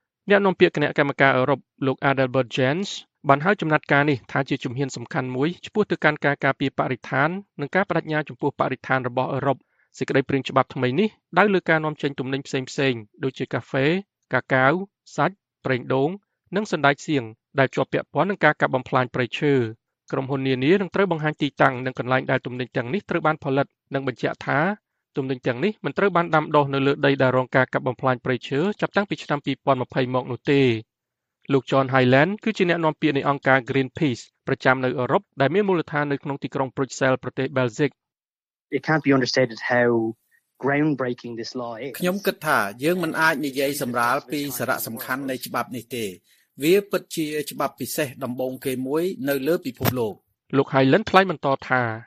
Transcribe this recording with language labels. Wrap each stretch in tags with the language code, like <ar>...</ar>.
<km>អ្នកនាំពាក្យគណៈកម្មការអឺរ៉ុបលោក Adelbert Jens បានហៅចំណាត់ការនេះថាជាជំហានសំខាន់មួយឆ្ពោះទៅកាន់ការការពារបរិស្ថាននិងការបដិញ្ញាចំពោះបរិស្ថានរបស់អឺរ៉ុបសេចក្តីព្រាងច្បាប់ថ្មីនេះដៅលើការនាំចេញទំនិញផ្សេងៗដូចជាកាហ្វេកាកាវសាច់ប្រេងដូងនិងសណ្ដែកសៀងដែលជាប់ពាក់ព័ន្ធនឹងការកាប់បំផ្លាញព្រៃឈើក្រុមហ៊ុននានានឹងត្រូវបង្ហាញទីតាំងនិងកន្លែងដែលទំនិញទាំងនេះត្រូវបានផលិតនិងបញ្ជាក់ថា ទំនិញទាំងនេះមិនត្រូវបានដាំដុះនៅលើដីដែលរងការកាប់បំផ្លាញព្រៃឈើចាប់តាំងពីឆ្នាំ2020មកនោះទេលោក John Highland គឺជាអ្នកនាំពាក្យនៃអង្គការ Greenpeace ប្រចាំនៅអឺរ៉ុបដែលមានមូលដ្ឋាននៅក្នុងទីក្រុង Bruxelles ប្រទេស Belgium</km> <en>It can't be understated how groundbreaking this law</en> <km>ខ្ញុំគិតថាយើងមិនអាចនិយាយសម្រាលពីសារៈសំខាន់នៃច្បាប់នេះទេ វាពិតជាច្បាប់ពិសេសដំបូងគេមួយនៅលើពិភពលោក លោក Highland ថ្លែងបន្តថា</km>